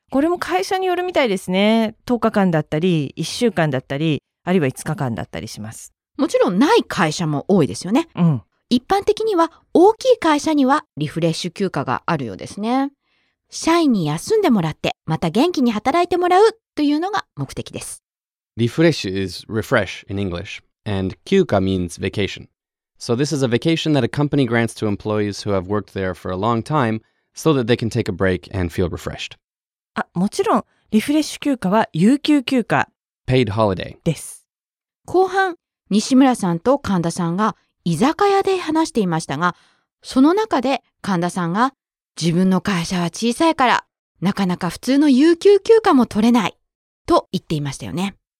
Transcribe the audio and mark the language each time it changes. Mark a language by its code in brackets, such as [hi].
[ja] これも会社によるみたいですね。10日間だったり1週間だったり、あるいは5日間だったりします。もちろんない会社も多いですよね、うん、一般的には大きい会社にはリフレッシュ休暇があるようですね。社員に休んでもらって、また元気に働いてもらうというのが目的です。 [en] Refresh is refresh in English, and 休暇 means vacation. So this is a vacation that a company grants to employees who have worked there for a long time, so that they can take a break and feel refreshed. [ja] あ、もちろん、リフレッシュ休暇は有給休暇。 [en] Paid holiday. [ja] です。後半、西村さんと神田さんが居酒屋で話していましたが、その中で神田さんが、自分の会社は小さいから、なかなか普通の有給休暇も取れない、と言っていましたよね。